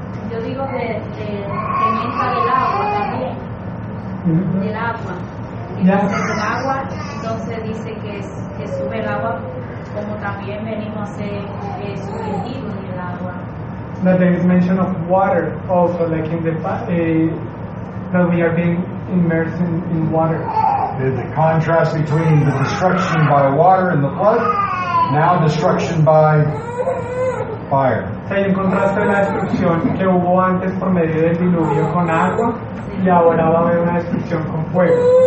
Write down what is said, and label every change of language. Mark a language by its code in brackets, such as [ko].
[es] Yo digo que en esta del agua también, del agua. Entonces, el agua, entonces dice que sube el agua, como también venimos a ser sumergidos. [en] That there is mention of water also, like in the that we are being immersed in water. The contrast between the destruction by water and the flood, now destruction by fire. [es] Hay un contraste de la destrucción que hubo antes por medio del diluvio con agua, y ahora va a haber una destrucción con fuego.